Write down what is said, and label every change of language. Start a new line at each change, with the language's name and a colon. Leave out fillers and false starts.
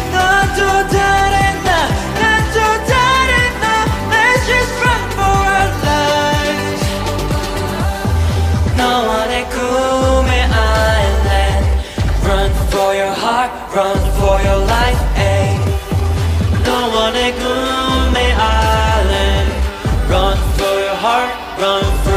Korean: 넌 또 다른 나, 난 또 다른 나.
English: Let's just run for our lives.
Korean: 너와 내 꿈의 island.
English: Run for your heart, run for your life, ay.
Korean: 너와 내 꿈의
English: island. Run for your heart, run for your life.